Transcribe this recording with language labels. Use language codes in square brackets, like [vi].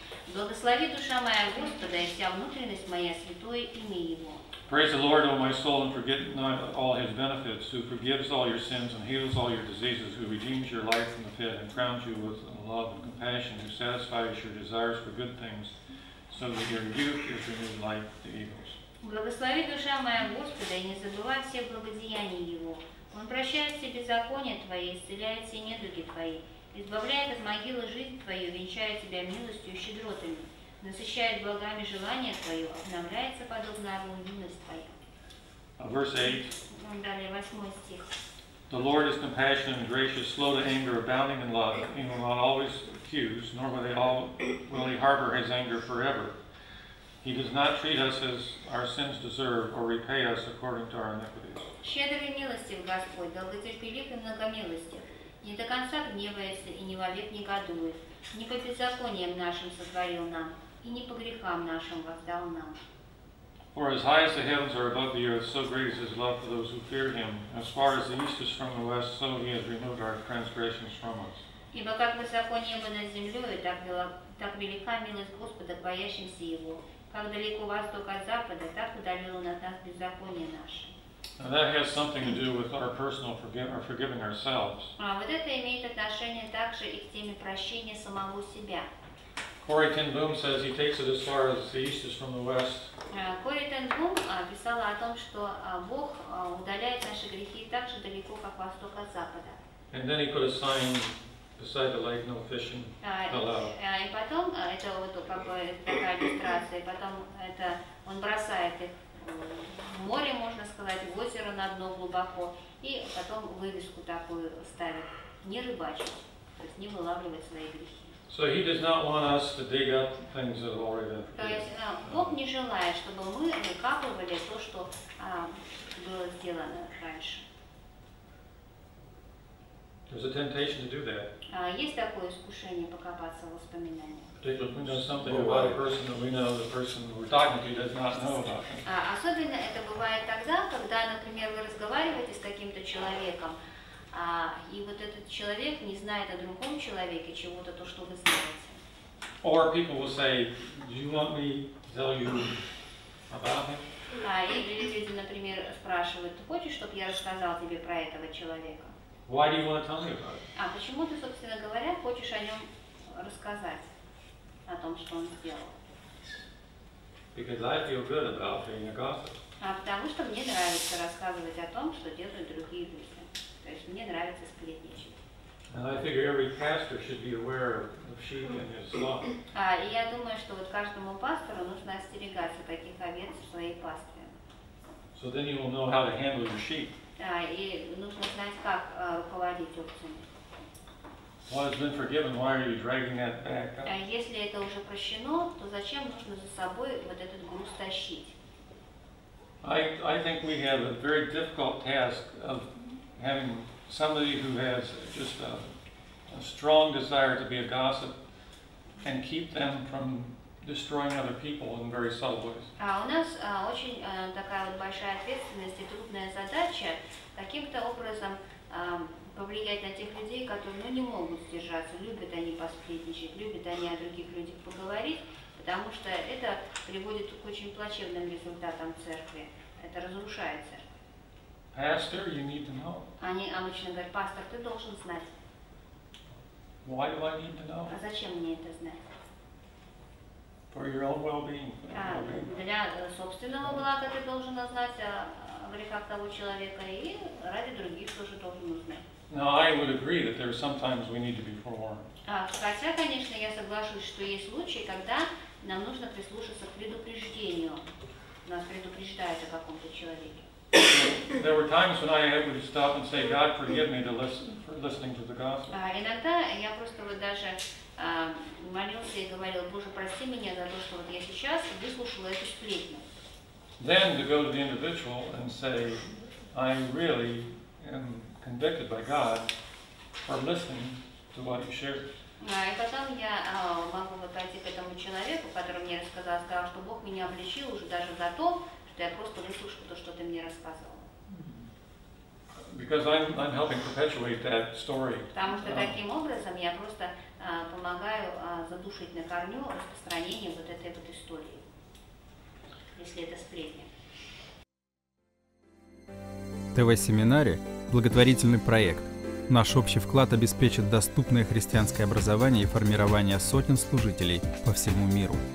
[en] Praise the Lord, O my soul, and forget not all His benefits, who forgives all your sins and heals all your diseases, who redeems your life from the pit and crowns you with love and compassion, who satisfies your desires for good things, so that your youth is renewed like the eagles. [ru] Благослови душа моя Господа, и не забывай все благодеяния Его. Он прощает все беззакония Твои, исцеляет все недуги Твои, избавляет от могилы жизнь Твою, венчает Тебя милостью и щедротами, насыщает благами желание Твое, обновляется подобно орлу юность Твоя. [en] Verse 8. [ru] Далее, 8 стих. [en] The Lord is compassionate and gracious, slow to anger, abounding in love. He will not always accuse, nor will he harbor his anger forever. He does not treat us as our sins deserve or repay us according to our iniquities. [ru] Щедр и милостив Господь, долготерпелив и многомилостив, не до конца гневается и не вовек негодует, не по беззакониям нашим сотворил нам, и не по грехам нашим воздал нам. [en] For as high as the heavens are above the earth, so great is His love for those who fear Him. As far as the east is from the west, so He has removed our transgressions from us. [ru] Ибо как высоко небо над землей, так велика милость Господа к боящимся Его. Как далеко восток от запада, так удалил Он от нас беззаконие наше. [en] Now that has something to do with our personal forgiving ourselves. [ru] А вот это имеет отношение также и к теме прощения самого себя. [en] Corrie ten Boom says he takes it as far as the east is from the west. [ru] Corrie ten Boom писала о том, что Бог удаляет наши грехи так же далеко, как восток от запада. [en] And then he put a sign beside the lake, no fishing allowed. [ru] И потом это вот как бы такая иллюстрация. Потом это он бросает их в море, можно сказать, в озеро на дно глубоко, и потом вывеску такую ставит: не рыбачить, то есть не вылавливать свои грехи. [en] So he does not want us to dig up things that have already been. [ru] То есть Бог не желает, чтобы мы выкапывали то, что было сделано раньше. [en] There's a temptation to do that. [ru] Есть такое искушение покопаться в воспоминаниях. [en] Particularly if we know something about a person that we know, the person that we're talking to does not know about him. [ru] Особенно это бывает тогда, когда, например, вы разговариваете с каким-то человеком. И вот этот человек не знает о другом человеке чего-то, то, что вы знаете. [en] Or people will say, do you want me to tell you about him? [ru] Или люди, например, спрашивают, ты хочешь, чтобы я рассказал тебе про этого человека? [en] Why do you want to tell me about it? [ru] Почему ты, собственно говоря, хочешь о нем рассказать, о том, что он сделал? [en] Because I feel good about being a gossip. [ru] Потому что мне нравится рассказывать о том, что делают другие люди. Мне нравится сплетничать. [en] And I figure every pastor should be aware of sheep in his flock. [ru] И я думаю, что вот каждому пастору нужно остерегаться таких овец в своей пастве. [en] So then you will know how to handle your sheep. [ru] И нужно знать, как руководить овцами. [en] What has been forgiven, why are you dragging that back? [ru] Если это уже прощено, то зачем нужно за собой вот этот груз тащить? [en] I think we have a very difficult task of having somebody who has just a strong desire to be a gossip and keep them from destroying other people in very subtle ways. [ru] У нас очень такая вот большая ответственность и трудная задача каким-то образом повлиять на тех людей, которые не могут сдержаться, любят они посплетничать, любят они о других людях поговорить, потому что это приводит к очень плачевным результатам церкви. Это разрушает церковь. [en] Pastor, you need to know. [ru] Они обычно говорят, пастор, ты должен знать. [en] Why do I need to know? [ru] Зачем мне это знать? [en] For your own well-being. [ru] Для собственного блага ты должен знать о грехах того человека, и ради других тоже должен узнать. [en] Now, I would agree that there are sometimes we need to be forewarned. [ru] Хотя, конечно, я соглашусь, что есть случаи, когда нам нужно прислушаться к предупреждению. Нас предупреждают о каком-то человеке. [en] There were times when I would stop and say, God, forgive me for listening to the gospel. [ru] Иногда я просто вот даже молился и говорил, Боже, прости меня за то, что вот я сейчас выслушал эту сплетню. [en] Then to go to the individual and say, I really am convicted by God for listening to what you shared. [ru] И потом я могу вот пойти к этому человеку, который мне рассказал, сказал, что Бог меня обличил уже даже за то, что я просто выслушал то, что ты мне рассказывал. [en] Because I'm helping perpetuate that story. [ru] Потому что таким образом я просто помогаю задушить на корню распространение вот этой вот истории, если это сплетня. ТВ-семинаре – благотворительный проект. Наш общий вклад обеспечит доступное христианское образование и формирование сотен служителей по всему миру.